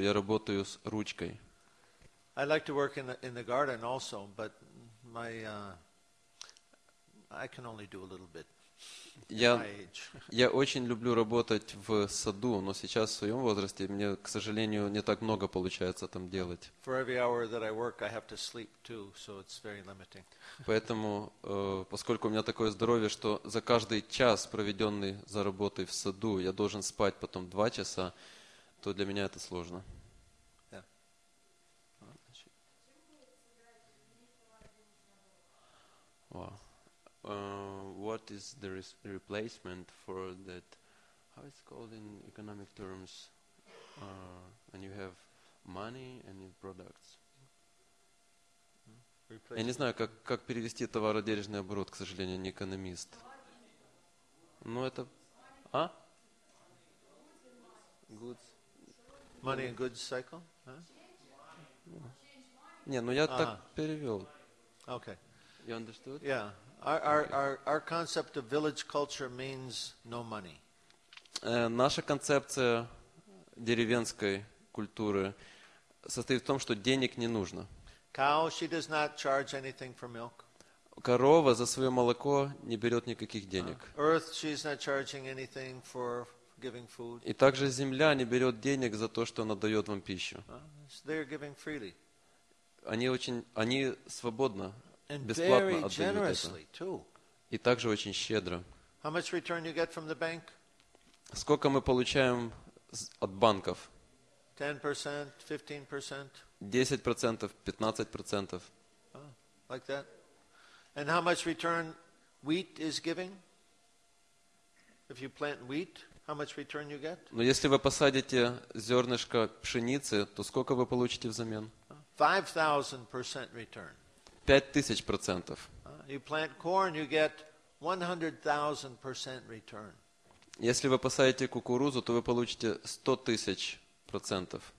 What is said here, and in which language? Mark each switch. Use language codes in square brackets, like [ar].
[ru] Я работаю с ручкой. [en] I'd like to work in the garden also, but I can only do a little bit. [ru] Я очень люблю работать в саду, но сейчас в своем возрасте мне, к сожалению, не так много получается там делать. [en] For every hour that I work, I have to sleep too, so it's very limiting. [ru] Поэтому, поскольку у меня такое здоровье, что за каждый час, проведенный за работой в саду, я должен спать потом 2 часа, то для меня это сложно. [en] Wow. What is the replacement for that, how it's called in economic terms, when you have money and your products? [ru] Я не знаю, как перевести товароденежный оборот, к сожалению, не экономист. Ну, это... А? [en] Goods. Money and goods cycle? [ru] Не, ну я так перевел. [en] Okay. You understood? Yeah. Our concept of village culture means no money. [ru] Наша концепция деревенской культуры состоит в том, что денег не нужно. [en] Cow, she does not charge anything for milk. [ru] Корова за свое молоко не берет никаких денег. [en] Earth, she's not charging anything for giving food. [ru] И также земля не берет денег за то, что она дает вам пищу. [en] They're giving freely. [ru] Они свободно. [en] And very generously too. [ru] И также очень щедро. [en] How much return you get from the bank? [ru] Сколько мы получаем от банков? 10%, 15%. 10%, 15%. [en] Like that. And how much return wheat is giving? If you plant wheat, how much return you get? [ru] Но если вы посадите зернышко пшеницы, то сколько вы получите взамен? [en] 5000% return. 5000%. You plant corn, you get 100,000% return. [ru] Если вы посадите кукурузу, то вы получите 100,000%.